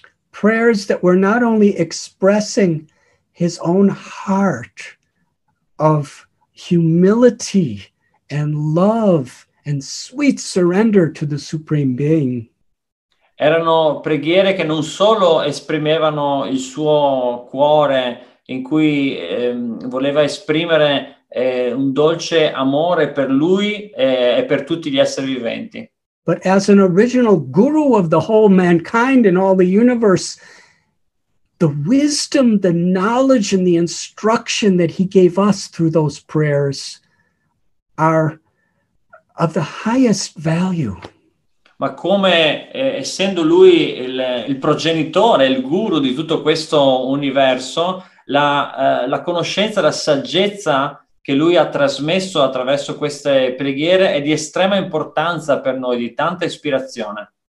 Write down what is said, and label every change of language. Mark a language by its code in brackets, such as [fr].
[en] Prayers that were not only expressing his own heart of humility and love and sweet surrender to the Supreme Being. [it] Erano preghiere che non solo esprimevano il suo cuore, in cui voleva esprimere un dolce amore per lui e per tutti gli esseri viventi. [en] But as an original guru of the whole mankind and all the universe, the wisdom, the knowledge, and the instruction that he gave us through those prayers are of the highest value. [it] Ma come essendo lui il progenitore, il guru di tutto questo universo, la conoscenza, la saggezza che lui ha trasmesso attraverso queste preghiere è di estrema importanza per noi, di tanta ispirazione.